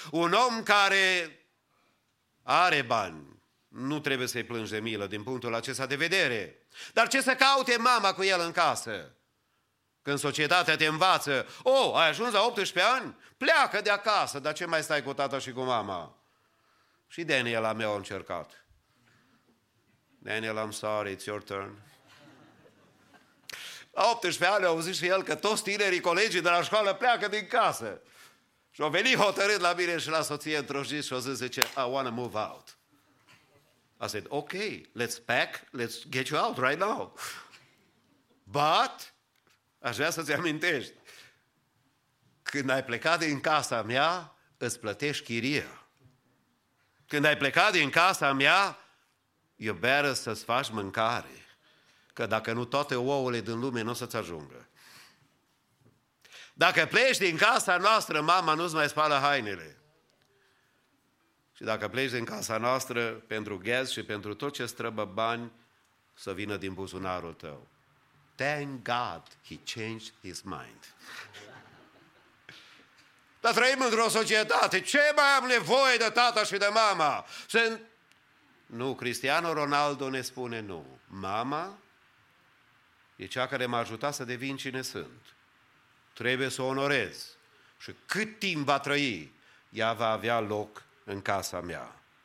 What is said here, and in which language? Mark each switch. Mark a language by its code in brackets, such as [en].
[ro] Un om care are bani, nu trebuie să-i plângi de milă din punctul acesta de vedere. Dar ce să caute mama cu el în casă? Când societatea te învață, ai ajuns la 18 ani? Pleacă de acasă, dar ce mai stai cu tata și cu mama? Și Daniel a meu a încercat. [en] Daniel, I'm sorry, it's your turn. [ro] La 18 ani au zis și el că toți tinerii colegii de la școală pleacă din casă. Și au venit hotărât la mine și la soție într-o zi și au zis, zice, [en] I want to move out. I said, ok, let's pack, let's get you out right now. [ro] But, aș vrea să-ți amintești, când ai plecat din casa mea, îți plătești chiria. Când ai plecat din casa mea, [en] you better [ro] să-ți faci mâncare. Că dacă nu, toate ouăle din lume nu o să-ți ajungă. Dacă pleci din casa noastră, mama nu-ți mai spală hainele. Și dacă pleci din casa noastră, pentru gaz și pentru tot ce străbă bani, să vină din buzunarul tău. [en] Thank God he changed his mind. [ro] Dar trăim într-o societate. Ce mai am nevoie de tata și de mama? Nu, Cristiano Ronaldo ne spune nu. Mama e cea care m-a ajutat să devin cine sunt. Trebuie să o onorez. Și cât timp va trăi, ea va avea loc în casa mea.